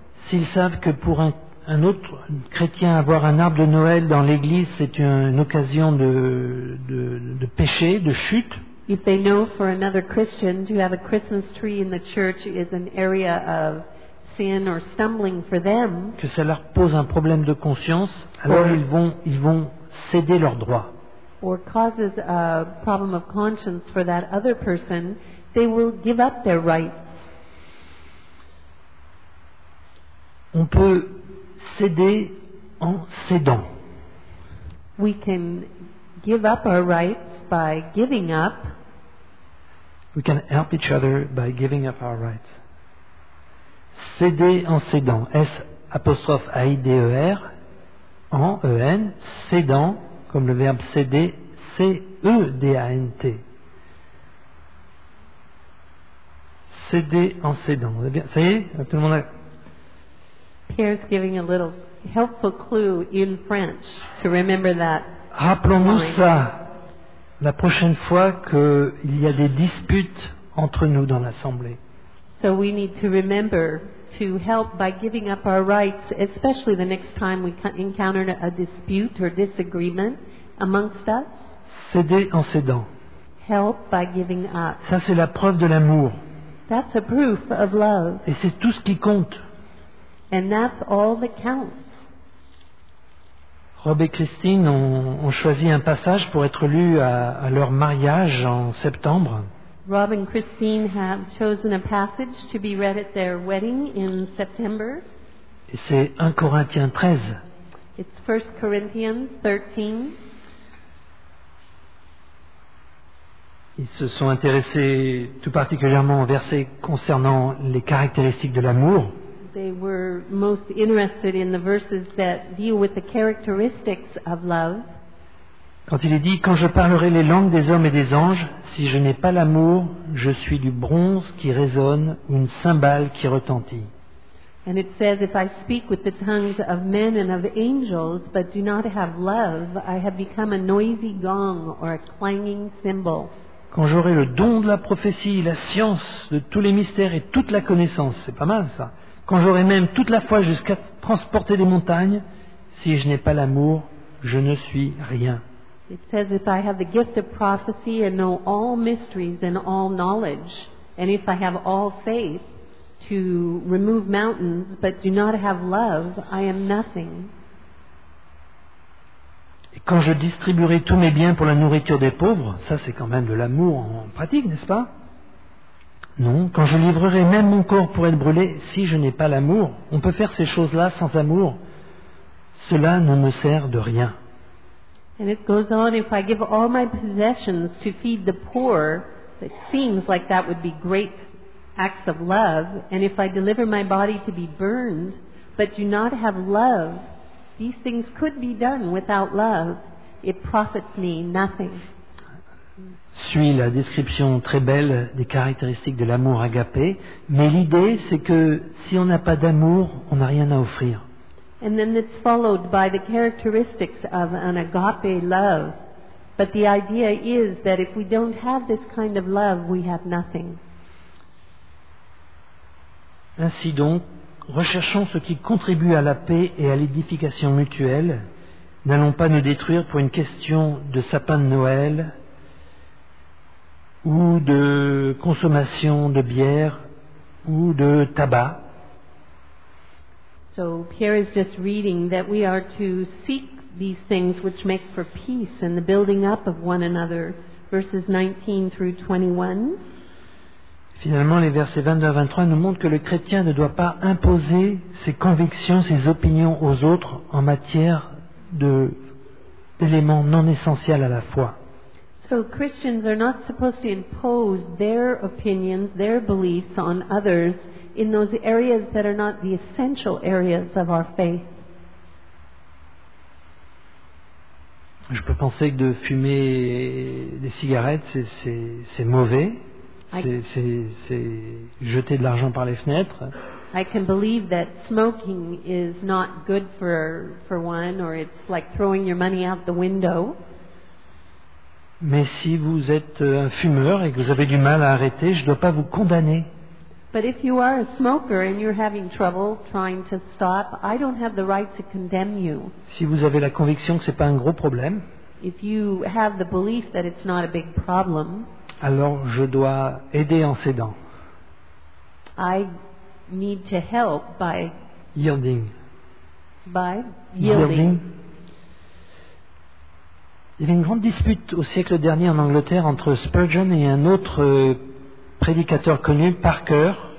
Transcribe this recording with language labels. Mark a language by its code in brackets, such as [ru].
[fr] S'ils savent que pour un autre chrétien, avoir un arbre de Noël dans l'église, c'est une occasion de péché, de chute. [en] If they know for another Christian to have a Christmas tree in the church is an area of sin or stumbling for them, [fr] que ça leur pose un problème de conscience, alors ils vont céder leurs droits. [en] Or causes a problem of conscience for that other person, they will give up their rights. [fr] On peut céder en cédant. [en] We can give up our rights by giving up. We can help each other by giving up our rights. [fr] Céder en cédant. S-A-I-D-E-R en E-N. Cédant, comme le verbe céder, C-E-D-A-N-T. Céder en cédant. Ça y est, tout le monde a... [en] Pierre's giving a little helpful clue in French to remember that. [fr] Rappelons-nous ça la prochaine fois qu'il y a des disputes entre nous dans l'assemblée. [en] So we need to remember to help by giving up our rights, especially the next time we encounter a dispute or disagreement amongst us. [fr] Céder en cédant. [en] Help by giving up. [fr] Ça c'est la preuve de l'amour. [en] That's a proof of love. [fr] Et c'est tout ce qui compte. [en] And that's all that counts. [fr] Rob et Christine ont choisi un passage pour être lu à leur mariage en septembre. [en] Rob and Christine have chosen a passage to be read at their wedding in September. [fr] Et c'est 1 Corinthiens 13. [en] It's 1 Corinthians 13. [fr] Ils se sont intéressés tout particulièrement au verset concernant les caractéristiques de l'amour. [en] They were most interested in the verses that deal with the characteristics of love. [fr] Quand il est dit, quand je parlerai les langues des hommes et des anges, si je n'ai pas l'amour, je suis du bronze qui résonne ou une cymbale qui retentit. [en] And it says, if I speak with the tongues of men and of angels, but do not have love, I have become a noisy gong or a clanging cymbal. [fr] Quand j'aurai le don de la prophétie, la science de tous les mystères et toute la connaissance, c'est pas mal ça. Quand j'aurai même toute la foi jusqu'à transporter des montagnes, si je n'ai pas l'amour, je ne suis rien. [en] It says, if I have the gift of prophecy and know all mysteries and all knowledge, and if I have all faith to remove mountains, but do not have love, I am nothing. [fr] Et quand je distribuerai tous mes biens pour la nourriture des pauvres, ça c'est quand même de l'amour en pratique, n'est-ce pas? Non, quand je livrerai même mon corps pour être brûlé, si je n'ai pas l'amour, on peut faire ces choses-là sans amour. Cela ne me sert de rien. [en] And it goes on, if I give all my possessions to feed the poor, it seems like that would be great acts of love, and if I deliver my body to be burned, but do not have love, these things could be done without love. It profits me nothing. [fr] suit la description très belle des caractéristiques de l'amour agapé, mais l'idée c'est que si on n'a pas d'amour, on n'a rien à offrir. [en] And then it's followed by the characteristics of an agape love. But the idea is that if we don't have this kind of love, we have nothing. [fr] Ainsi donc, recherchons ce qui contribue à la paix et à l'édification mutuelle. N'allons pas nous détruire pour une question de sapin de Noël ou de consommation de bière ou de tabac. [en] So Pierre is just reading that we are to seek these things which make for peace and the building up of one another, verses 19 through 21. [fr] Finalement, les versets 22 à 23 nous montrent que le chrétien ne doit pas imposer ses convictions, ses opinions aux autres en matière d'éléments non essentiels à la foi. [en] So Christians are not supposed to impose their opinions, their beliefs on others in those areas that are not the essential areas of our faith. [fr] Je peux penser que de fumer des cigarettes, c'est mauvais. C'est jeter de l'argent par les fenêtres. [en] I can believe that smoking is not good for one, or it's like throwing your money out the window. [fr] Mais si vous êtes un fumeur et que vous avez du mal à arrêter, je ne dois pas vous condamner. [en] But if you are a smoker and you're having trouble trying to stop, I don't have the right to condemn you. [fr] Si vous avez la conviction que c'est pas un gros problème, [en] if you have the belief that it's not a big problem, [fr] alors je dois aider en s'aidant. [en] I need to help by yielding. By yielding. [fr] Il y avait une grande dispute au siècle dernier en Angleterre entre Spurgeon et un autre prédicateur connu, Parker.